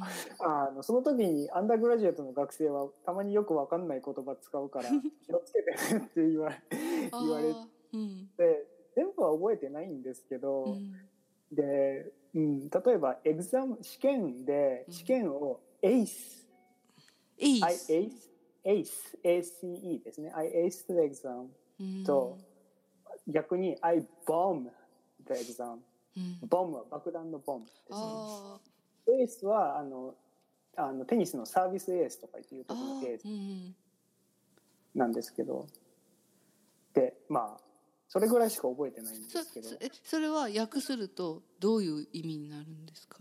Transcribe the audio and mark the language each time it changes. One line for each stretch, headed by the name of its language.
Japanese: あのその時にアンダーグラジュエットの学生はたまによく分かんない言葉使うから気をつけてって言われて、うん、全部は覚えてないんですけど、うんで、うん、例えばエグザム試験で試験をエース、うん、エース
English: ACE
Japanese: ですね、
English: I ace the exam と、
Japanese: うん、逆に
English: I bomb the exam、
Japanese: うん、ボムは爆弾のボムですね。エースはあのテニスのサービスエースとかっていうところでエースなんですけど、うん、でまあそれぐらいしか覚えてないんですけど、それは訳するとどういう意味になるんですか。